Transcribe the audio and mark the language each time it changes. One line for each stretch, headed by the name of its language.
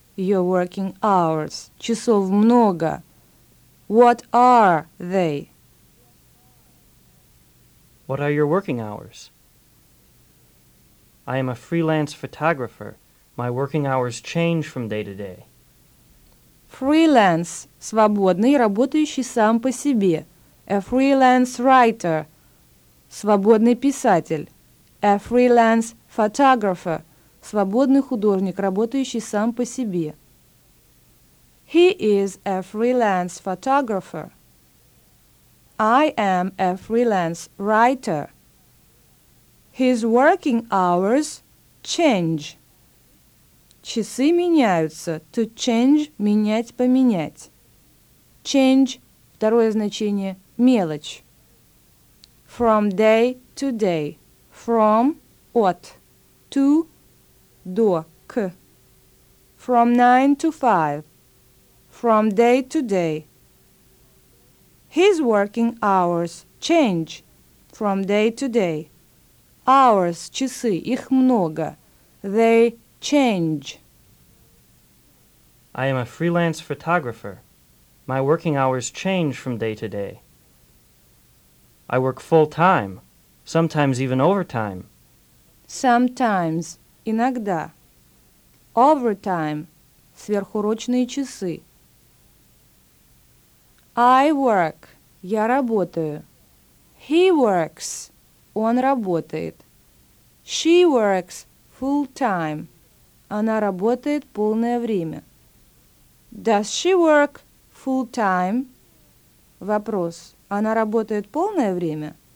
English: your working hours?
Russian: Часов много.
English: What are they? What are your working hours? I am a freelance photographer. My working hours change from day to day.
Russian: Freelance – свободный, работающий сам по себе.
English: A freelance writer –
Russian: свободный писатель.
English: A freelance photographer
Russian: – свободный художник, работающий сам по себе.
English: He is a freelance photographer. I am a freelance writer. His working hours change.
Russian: Часы меняются.
English: To change
Russian: – менять, поменять. Change – второе значение – мелочь.
English: From day to day. From – от. To – до. К. From 9 to 5. From day to day. His working hours change from day to day. Hours – часы.
Russian: Их много.
English: They change. I am a freelance photographer. My working hours change from day to day. I work full-time, sometimes even overtime.
Russian: Sometimes – иногда. Overtime – сверхурочные часы.
English: I work –
Russian: я работаю.
English: He works –
Russian: он работает.
English: She works full-time –
Russian: она работает полное время.
English: Does she work full-time? Вопрос.
Russian: Она работает полное время?